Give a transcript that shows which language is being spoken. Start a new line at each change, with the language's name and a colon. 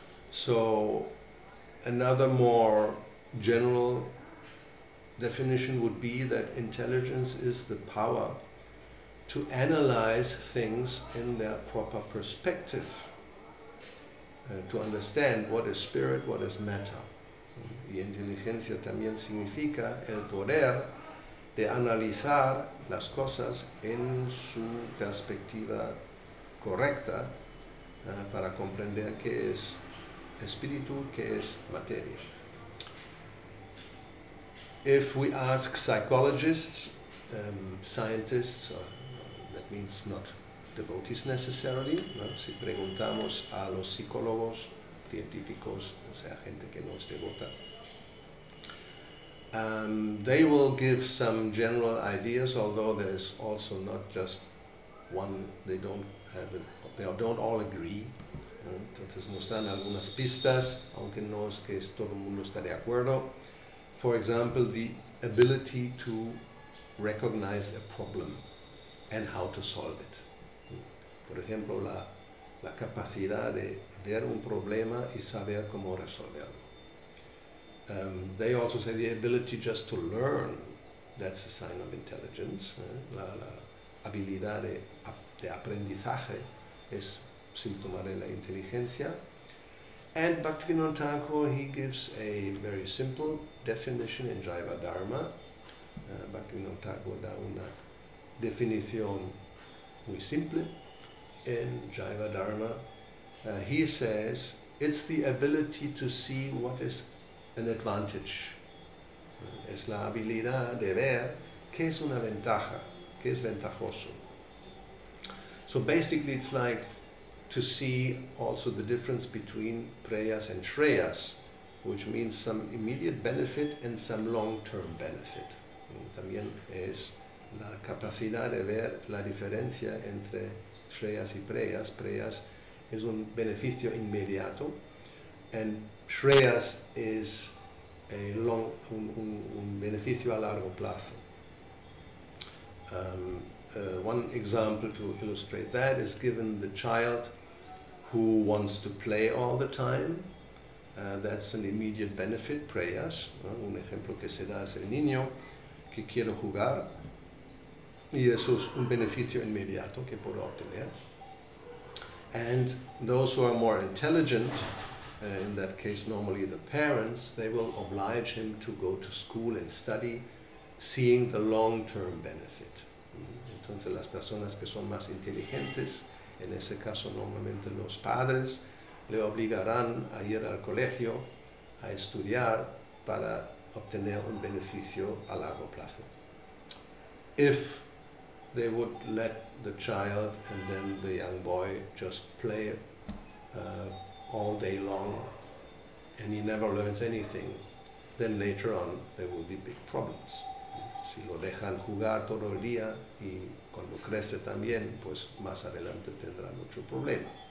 English: So another more general definition would be that intelligence is the power to analyze things in their proper perspective, to understand what is spirit, what is matter.
Spanish: Y inteligencia también significa el poder de analizar las cosas en su perspectiva correcta para comprender qué es espíritu, qué es materia.
English: If we ask psychologists, scientists, that means not devotees necessarily,
Spanish: ¿no? Si preguntamos a los psicólogos, científicos, o sea, gente que no es devota,
English: they will give some general ideas, although there's also not just one, they don't all agree.
Spanish: Entonces nos dan algunas pistas, aunque no es que todo el mundo está de acuerdo.
English: For example, the ability to recognize a problem and how to solve it.
Spanish: Por ejemplo, la capacidad de ver un problema y saber cómo resolverlo.
English: They also say the ability just to learn, that's a sign of intelligence.
Spanish: La habilidad de aprendizaje es síntoma de la inteligencia.
English: And Bhaktivinoda Thakur, he gives a very simple definition in Jiva Dharma.
Spanish: Bhaktivinoda Thakur da una definición muy simple in Jiva Dharma.
English: He says, it's the ability to see what is an advantage.
Spanish: Es la habilidad de ver qué es una ventaja, qué es ventajoso.
English: So basically it's like to see also the difference between preyas and shreyas, which means some immediate benefit and some long-term benefit.
Spanish: También es la capacidad de ver la diferencia entre shreyas y preyas. Preyas es un beneficio inmediato,
English: and Shreyas is a long,
Spanish: un beneficio a largo plazo.
English: One example to illustrate that is given the child who wants to play all the time. That's an immediate benefit, Prayas.
Spanish: Un ejemplo que se da es el niño que quiere jugar. Y eso es un beneficio inmediato que puedo obtener.
English: And those who are more intelligent, in that case normally the parents, they will oblige him to go to school and study, seeing the long-term benefit.
Spanish: Entonces las personas que son más inteligentes, en ese caso normalmente los padres, le obligarán a ir al colegio, a estudiar, para obtener un beneficio a largo plazo.
English: If they would let the child and then the young boy just play all day long and he never learns anything, then later on there will be big problems.
Spanish: Si lo dejan jugar todo el día y cuando crece también, pues más adelante tendrá mucho problema.